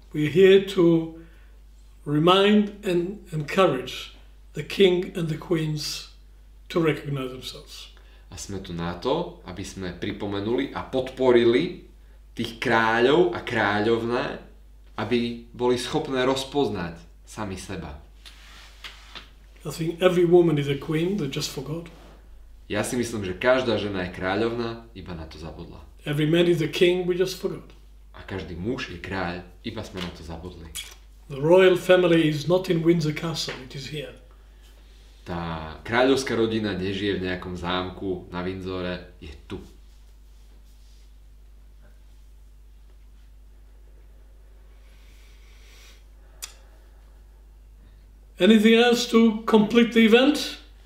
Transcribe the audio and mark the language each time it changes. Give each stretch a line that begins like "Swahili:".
English: We are here to remind and encourage the king and the queens to recognize themselves.
Slovak: A sme tu na to, aby sme pripomenuli a podporili tých kráľov a kráľovné, aby boli schopné rozpoznať sami seba.
English: I think every woman is a queen, they just forgot.
Slovak: Ja si myslím, že každá žena je kráľovná, iba na to zabudla.
English: Every man is a king, we just forgot.
Slovak: A každý muž je kráľ, iba sme na to zabudli.
English: The royal family is not in Windsor Castle, it is here.
Slovak: Tá kráľovská rodina nežije v nejakom zámku na Windsore, je tu.
English: Anything else to complete the event?